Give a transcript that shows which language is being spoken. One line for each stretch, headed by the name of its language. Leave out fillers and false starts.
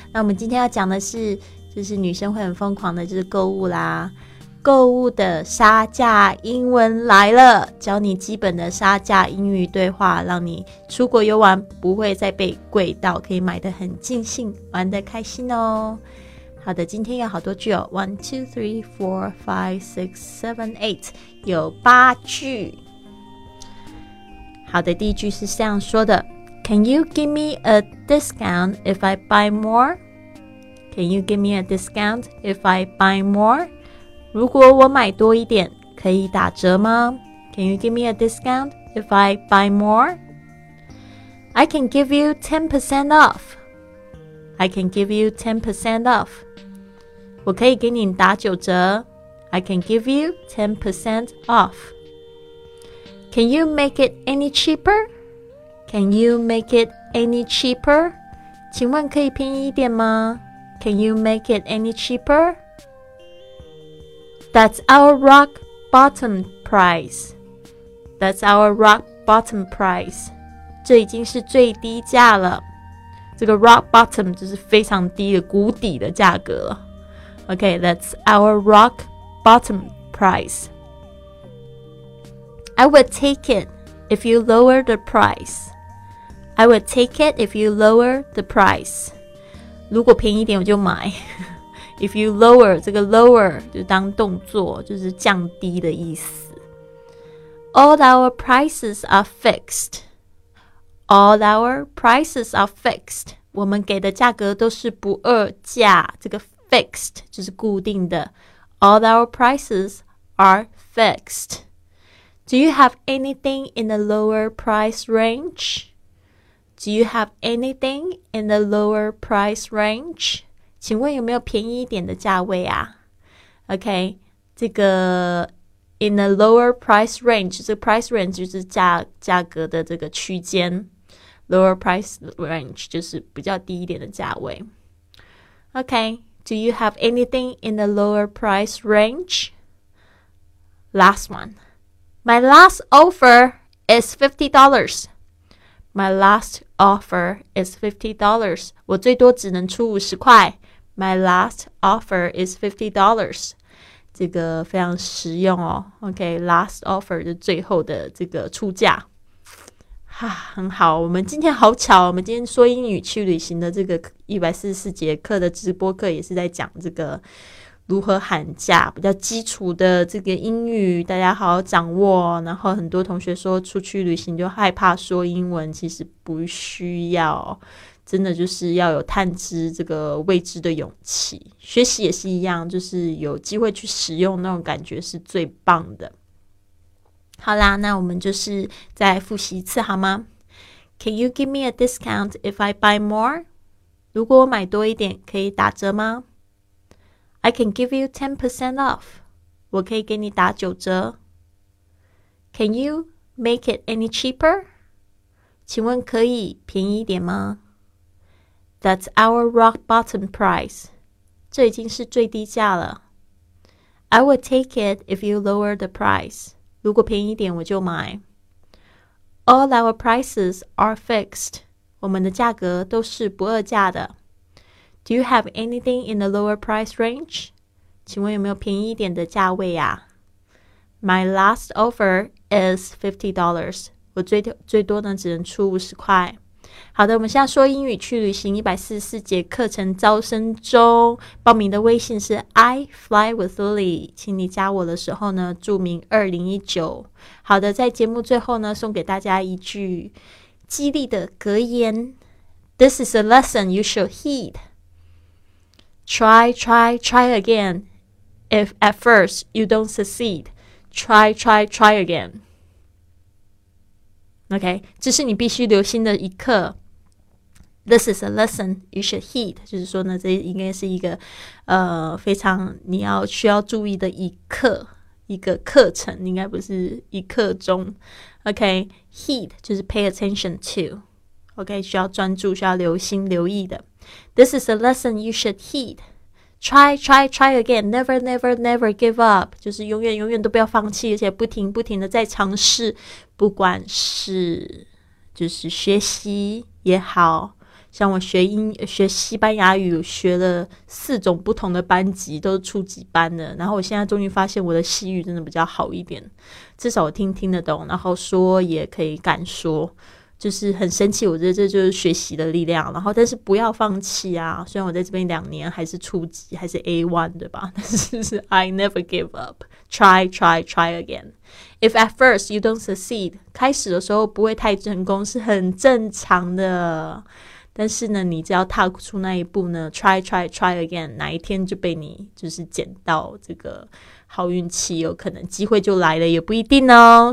Chinese: 那我们今天要讲的是，就是女生会很疯狂的就是购物啦，购物的杀价英文来了，教你基本的杀价英语对话，让你出国游玩不会再被贵到，可以买得很尽兴，玩得开心哦。好的，今天有好多句哦， 1, 2, 3, 4, 5, 6, 7, 8 有八句。好的，第一句是这样说的，
English: Can you give me a discount if I buy more? Can you give me a discount if I buy more?
Chinese: 如果我买多一点可以打折吗？
English: Can you give me a discount if I buy more? I can give you 10% off. I can give you 10% off.
Chinese: 我可以给你打九折。
English: I can give you 10% off. Can you make it any cheaper? Can you make it any cheaper?
Chinese: 请问可以便宜一点吗？
English: Can you make it any cheaper? That's our rock bottom price. That's our rock bottom price.
Chinese: 这已经是最低价了。这个 rock bottom 就是非常低的谷底的价格了。
English: Okay, that's our rock bottom price. I would take it if you lower the price. I would take it if you lower the price.
Chinese: 如果便宜一点我就买。
English: If you lower,
Chinese: 这个 lower 就当动作，就是降低的意思。
English: All our prices are fixed. All our prices are fixed.
Chinese: 我们给的价格都是不二价，这个Fixed 就是固定的。
English: All our prices are fixed. Do you have anything in the lower price range? Do you have anything in the lower price range?
Chinese: 请问有没有便宜一点的价位啊？ OK, 这个
English: in the lower price range,
Chinese: 这个 price range 就是 价格的这个区间。
English: Lower price range
Chinese: 就是比较低一点的价位。
English: OK,Do you have anything in the lower price range? Last one. My last offer is $50. My last offer is $50.
Chinese: 我最多只能出五十块。
English: My last offer is $50.
Chinese: 这个非常实用哦。 OK, last offer 就最后的这个出价。哈，很好，我们今天好巧，我们今天说英语去旅行的这个144节课的直播课也是在讲这个如何喊价，比较基础的这个英语大家好好掌握。然后很多同学说出去旅行就害怕说英文，其实不需要，真的就是要有探知这个未知的勇气。学习也是一样，就是有机会去使用，那种感觉是最棒的。好啦，那我们就是再复习一次好吗？
English: Can you give me a discount if I buy more?
Chinese: 如果我买多一点可以打折吗？
English: I can give you 10% off.
Chinese: 我可以给你打九折。
English: Can you make it any cheaper?
Chinese: 请问可以便宜一点吗？
English: That's our rock bottom price.
Chinese: 这已经是最低价了。
English: I will take it if you lower the price.
Chinese: 如果便宜一点我就买。
English: All our prices are fixed.
Chinese: 我们的价格都是不二价的。
English: Do you have anything in the lower price range?
Chinese: 请问有没有便宜一点的价位啊？
English: My last offer is $50.
Chinese: 我最多呢只能出50块。好的，我们现在说英语去旅行144节课程招生中，报名的微信是 I Fly With Lily， 请你加我的时候呢注明2019。好的，在节目最后呢送给大家一句激励的格言，
English: This is a lesson you should heed. Try again If at first you don't succeed, try again.
Chinese: Okay, 这是你必须留心的一课。
English: This is a lesson you should heed.
Chinese: 就是说呢，这应该是一个非常你要需要注意的一课，一个课程，应该不是一课中。
English: Okay, heed 就是 pay attention to.
Chinese: Okay, 需要专注，需要留心留意的。
English: This is a lesson you should heed. Try again. Never give up.
Chinese: 就是永远都不要放弃，而且不停的在尝试，不管是就是学习也好。像我学西班牙语，学了四种不同的班级，都是初级班的。然后我现在终于发现我的西语真的比较好一点，至少我听得懂，然后说也可以敢说，就是很神奇。我觉得这就是学习的力量。然后，但是不要放弃啊！虽然我在这边两年还是初级，还是 A1 对吧？
English: 但是 I never give up. Try again. If at first you don't succeed,
Chinese: 开始的时候不会太成功是很正常的。但是呢，你只要踏出那一步呢 ，
English: try again，
Chinese: 哪一天就被你就是捡到这个好运气，有可能机会就来了，也不一定哦。